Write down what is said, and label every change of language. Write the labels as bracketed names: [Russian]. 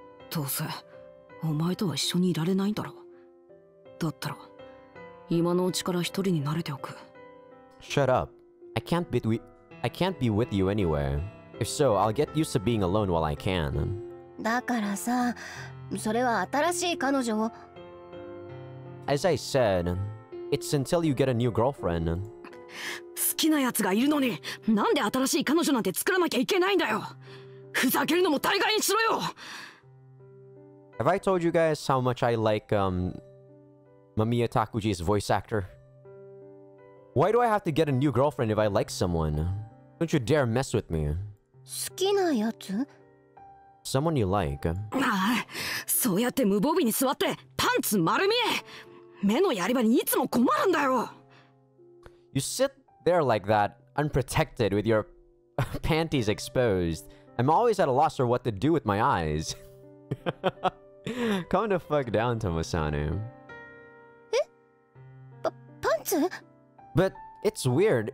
[Japanese] どうせ、お前とは一緒にいられないんだろう。だったら、今のうちから一人になれておく。 [English] Shut up. I can't be with you anyway. If so, I'll get used to being alone while I can. [Japanese] だからさ、それは新しい彼女を。 [English] As I said, it's until you get a new girlfriend. [Japanese] 好きな奴がいるのに、なんで新しい彼女なんて作らなきゃいけないんだよ。ふざけるのも大概にしろよ。 [English] Have I told you guys how much I like, Mamiya Takuji's voice actor? Why do I have to get a new girlfriend if I like someone? Don't you dare mess with me. [Japanese] 好きな奴? [English] Someone you like. [Japanese] ああ、そうやって無防備に座ってパンツ丸見え。目のやり場にいつも困るんだよ。 [English] You sit there like that, unprotected, with your panties exposed. I'm always at a loss for what to do with my eyes. Calm the fuck down, Tomosane. [Japanese] え?パンツ? [English] But it's weird.